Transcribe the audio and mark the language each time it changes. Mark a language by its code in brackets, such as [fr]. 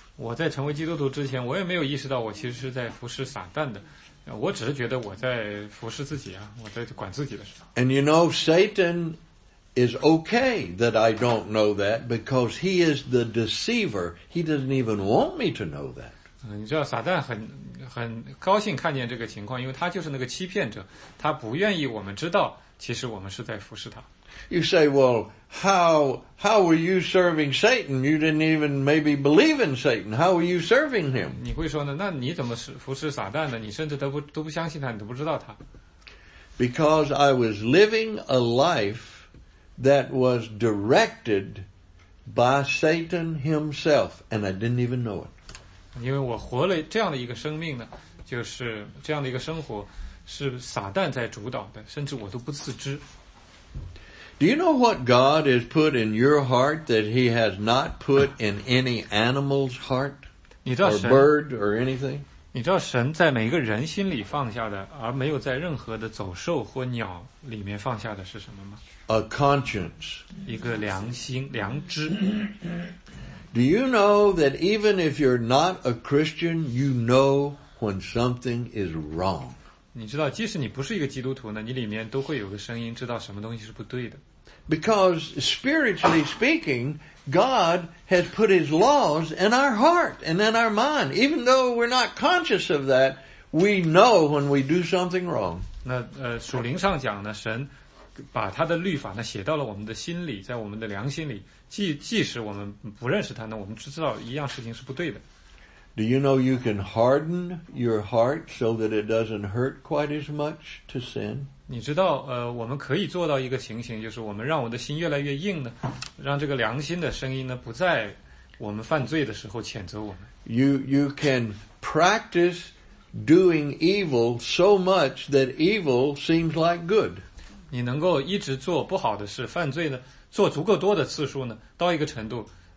[zh] 我在成为基督徒之前，我也没有意识到我其实是在服侍撒旦的。我只是觉得我在服侍自己啊，我在管自己的事。 [en] And you know, Satan. Is okay that I don't know that because he is the deceiver. He doesn't even want me to know that. [zh] 你知道撒旦很高兴看见这个情况，因为他就是那个欺骗者，他不愿意我们知道，其实我们是在服侍他。 [en] You say, well, how were you serving Satan? You didn't even maybe believe in Satan. How were you serving him? [zh] 你会说呢？那你怎么服侍撒旦呢？你甚至都不相信他，你都不知道他。 [en] Because I was living a life. That was directed by Satan himself, and I didn't even know it. [zh] 因为我活了这样的一个生命呢，就是这样的一个生活，是撒旦在主导的，甚至我都不自知。 [en] Do you know what God has put in your heart that He has not put in any animal's heart, or bird, or anything? [zh] 你知道神在每个人心里放下的，而没有在任何的走兽或鸟里面放下的是什么吗？ [en] A conscience. [zh] 一个良心良知。 [en] Do you know that even if you're not a Christian, you know when something is wrong? [zh] 你知道即使你不是一个基督徒呢，你里面都会有个声音知道什么东西是不对的。 [en] Because spiritually speaking, God has put his laws in our heart and in our mind. Even though we're not conscious of that, we know when we do something wrong. [zh] 那属灵上讲呢，神把他的律法呢写到了我们的心里，在我们的良心里。即使我们不认识他呢，我们知道一样事情是不对的。 [en] Do you know you can harden your heart so that it doesn't hurt quite as much to sin? [zh] 你知道，我们可以做到一个情形，就是我们让我们的心越来越硬呢，让这个良心的声音呢不在我们犯罪的时候谴责我们。 [en] You can practice doing evil so much that evil seems like good. [zh] 你能够一直做不好的事犯罪呢做足够多的次数呢到一个程度